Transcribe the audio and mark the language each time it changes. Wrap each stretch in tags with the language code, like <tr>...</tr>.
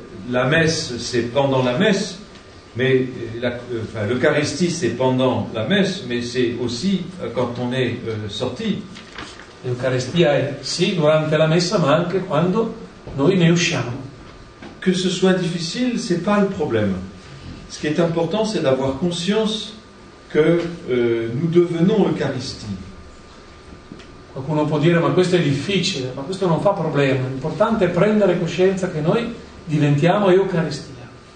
<fr>La messe c'est pendant la messe, mais l'Eucharistie c'est pendant la messe, mais c'est aussi quand on est sorti.</fr> <it>L'Eucharistia è sì durante la messa, ma anche quando noi ne usciamo.</it> <fr>Que ce soit difficile, c'est pas le problème. Ce qui est important, c'est d'avoir conscience que nous devenons Eucharistie.</fr> <it>Qualcuno può dire, ma questo è difficile, ma questo non fa problema. L'importante è prendere coscienza che noi diventiamo Eucharistia.</it>